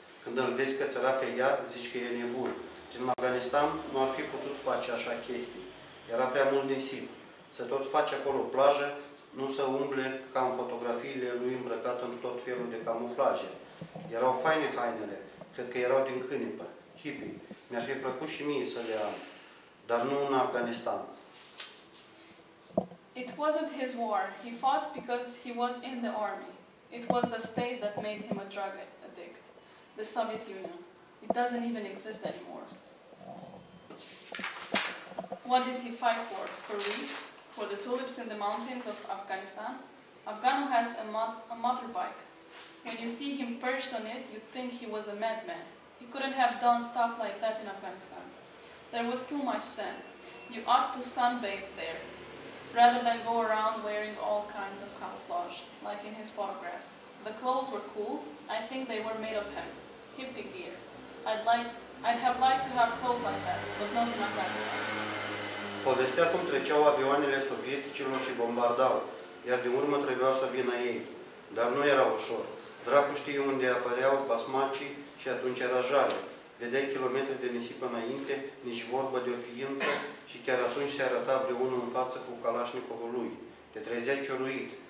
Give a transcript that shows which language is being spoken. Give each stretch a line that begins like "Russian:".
Romanian: Când îl vezi că țărate ea, zici că e nebun. Din Afganistan nu ar fi putut face așa chestii. Era prea mult nisip. Să tot faci acolo plajă, nu să umble ca în fotografiile lui îmbrăcat în tot felul de camuflaje. Erau faine hainele. Cred că erau din cânepă. Hippie. Mi-ar fi plăcut și mie să le am. Dar nu în Afganistan.
English: It wasn't his war. He fought because he was in the army. It was the state that made him a drug addict. The Soviet Union. It doesn't even exist anymore. What did he fight for? For weed? For the tulips in the mountains of Afghanistan? Afganu has a motorbike. When you see him perched on it, you'd think he was a madman. He couldn't have done stuff like that in Afghanistan. There was too much sand. You ought to sunbathe there, rather than go around wearing all kinds of camouflage, like in his photographs. The clothes were cool. I think they were made of hemp. Hippie gear. I'd have liked to have clothes like that, but not in Afghanistan.
Romanian: Povestea cum treceau avioanele sovieticilor și bombardau, iar de urmă trebuiau să vină ei. Dar nu era ușor. Dracu știe unde apăreau basmacii și atunci era jale. Vedeai kilometri de nisip înainte, nici vorbă de o ființă, și chiar atunci se arăta vreunul în față cu Kalashnikovul lui. Te trezeai cioruit.